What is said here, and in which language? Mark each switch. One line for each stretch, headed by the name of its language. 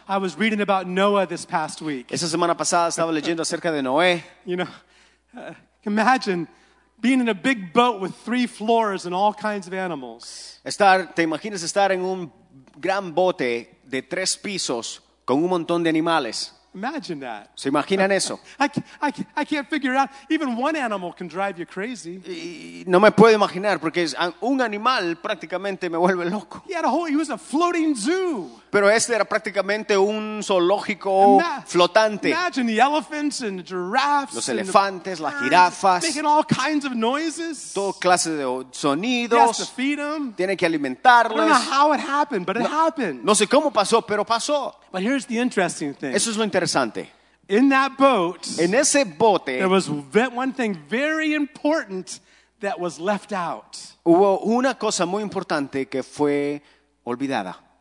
English: I was reading about Noah this past week.
Spanish: Esa semana pasada estaba leyendo acerca de Noé.
English: You know, imagine being in a big boat with three floors and all kinds of animals.
Spanish: Estar, te imaginas estar en un gran bote de tres pisos con un montón de animales.
English: Imagine that.
Spanish: ¿Se imaginan eso?
English: I can't figure out. Even one animal can drive you crazy.
Spanish: No me puedo imaginar porque un animal prácticamente me vuelve loco.
English: He was a floating zoo.
Spanish: Pero este era prácticamente un zoológico flotante.
English: Imagine the elephants and the giraffes.
Spanish: Los elefantes, las jirafas.
English: Making all kinds of noises.
Spanish: Todo clase de sonidos.
English: He has to feed them.
Spanish: Tiene que alimentarlos.
English: I don't know how it happened, but it happened.
Spanish: No sé cómo pasó, pero pasó.
English: But here's the interesting thing.
Spanish: Eso es lo interesante.
English: In that boat,
Spanish: en ese bote,
English: there was one thing very important that was left out.
Spanish: Hubo una cosa muy importante que fue olvidada.